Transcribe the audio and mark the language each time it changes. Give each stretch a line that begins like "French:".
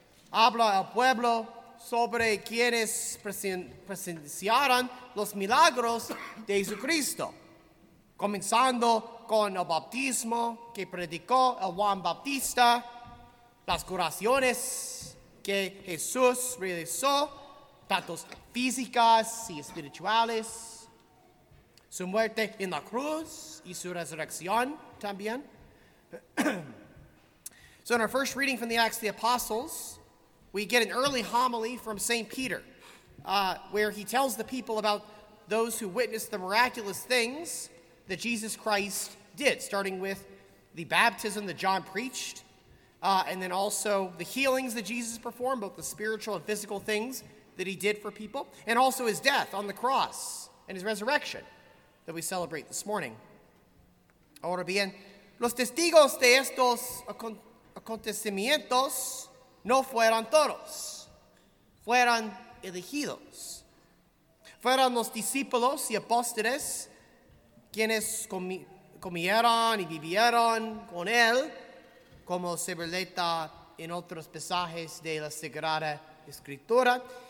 Spanish: Habla al pueblo sobre quienes presenciaron los milagros de Jesucristo, comenzando con el bautismo que predicó el Juan Bautista, las curaciones que Jesús realizó, tanto físicas y espirituales, su muerte en la cruz y su resurrección también.
English: So in our first reading from the Acts of the Apostles, we get an early homily from St. Peter, where he tells the people about those who witnessed the miraculous things that Jesus Christ did, starting with the baptism that John preached, and then also the healings that Jesus performed, both the spiritual and physical things that he did for people, and also his death on the cross and his resurrection that we celebrate this morning.
Spanish: Ahora bien, los testigos de estos acontecimientos no fueron todos, fueron elegidos. Fueron los discípulos y apóstoles quienes comieron y vivieron con él, como se relata en otros pasajes de la Sagrada Escritura.